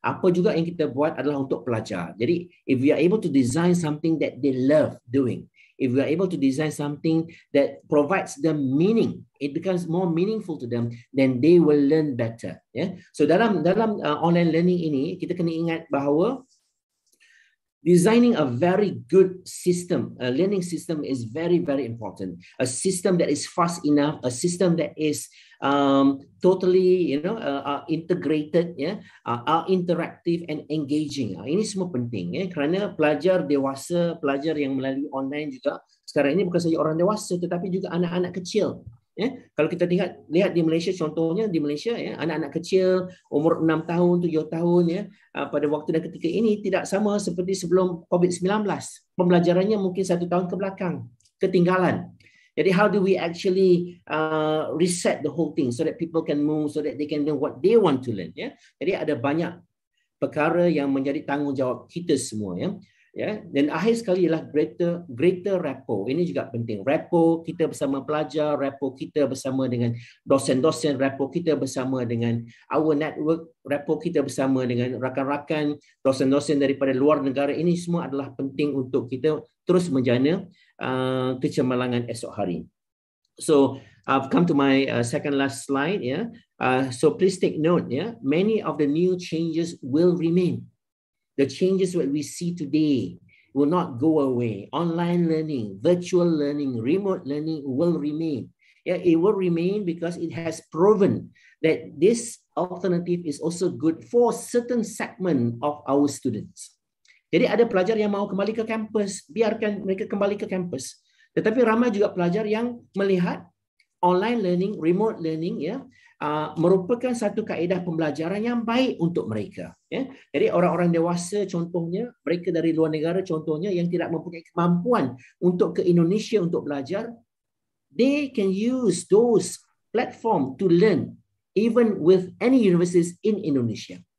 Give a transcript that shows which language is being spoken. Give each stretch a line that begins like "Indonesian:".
Malay: Apa juga yang kita buat adalah untuk pelajar.
English: Jadi if we are able to design something that they love doing, if we are able to design something that provides them meaning, it becomes more meaningful to them, then they will learn better. Yeah? So
Malay: dalam
English: online learning
Malay: ini, kita kena ingat bahawa
English: designing a very good system, a learning system, is very, very important. A system that is fast enough, a system that is totally, you know, integrated, yeah, interactive and engaging.
Malay: Ini semua penting, yeah, kerana pelajar dewasa, pelajar yang melalui online juga sekarang ini bukan saja orang dewasa, tetapi juga anak-anak kecil. Yeah? Kalau kita lihat di Malaysia, contohnya di Malaysia, yeah, anak-anak kecil umur 6 tahun, 7 tahun, yeah, pada waktu dan ketika ini tidak sama seperti sebelum COVID-19. Pembelajarannya mungkin 1 tahun ke belakang, ketinggalan.
English: Jadi how do we actually reset the whole thing so that people can move, so that they can learn what they want to learn. Yeah?
Malay: Jadi ada banyak perkara yang menjadi tanggungjawab kita semua, ya. Ya, dan akhir sekali ialah greater rapport. Ini juga penting. Rapport kita bersama pelajar, rapport kita bersama dengan dosen-dosen, rapport kita bersama dengan
English: our network,
Malay: rapport kita bersama dengan rakan-rakan dosen-dosen daripada luar negara. Ini semua adalah penting untuk kita terus menjana kecemerlangan esok hari.
English: So, I've come to my second last slide, ya. So please take note, ya. Many of the new changes will remain. The changes that we see today will not go away. Online learning, virtual learning, remote learning will remain. Yeah, it will remain because it has proven that this alternative is also good for certain segment of our students.
Malay: Jadi ada pelajar yang mau kembali ke kampus, biarkan mereka kembali ke kampus. Tetapi ramai juga pelajar yang melihat online learning, remote learning, ya, merupakan satu kaedah pembelajaran yang baik untuk mereka. Ya. Jadi orang-orang dewasa contohnya, mereka dari luar negara contohnya yang tidak mempunyai kemampuan untuk ke Indonesia untuk belajar,
English: they can use those platform to learn even with any universities in Indonesia.